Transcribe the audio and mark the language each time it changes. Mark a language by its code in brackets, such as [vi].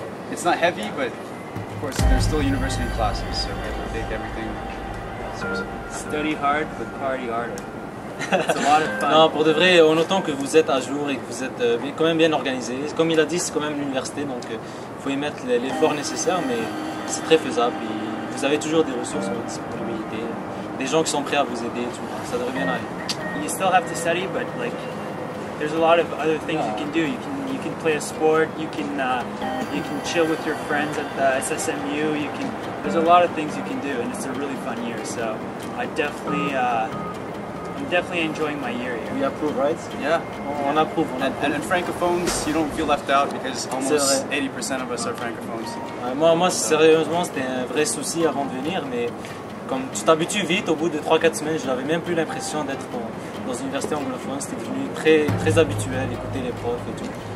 [en] It's not heavy, but of course there's still university classes, so we have to take everything seriously. Study hard, but party harder. It's a lot of fun. [fr] Non, pour de vrai, on entend que vous êtes à jour et que vous êtes quand même bien organisé. Comme il a dit, c'est quand même l'université, donc il faut y mettre l'effort nécessaire, mais c'est très faisable. Vous avez toujours des ressources pour disponibilité, des gens qui sont prêts à vous aider, tout. Ça devrait bien aller. [en] You still have to study, but like, there's a lot of other things you can do. You can play a sport. You can chill with your friends at the SSMU. You can. There's a lot of things you can do, and it's a really fun year. So, I'm definitely enjoying my year here. We approve, right? Yeah. [fr] On approve. [en] And francophones, you don't feel left out because almost 80% of us are francophones. [fr] Moi, sérieusement, c'était un vrai souci avant de venir, mais comme tu t'habitues vite, au bout de 3-4 semaines, je n'avais même plus l'impression d'être dans une université anglophone. C'était devenu très, très habituel, écouter les profs et tout.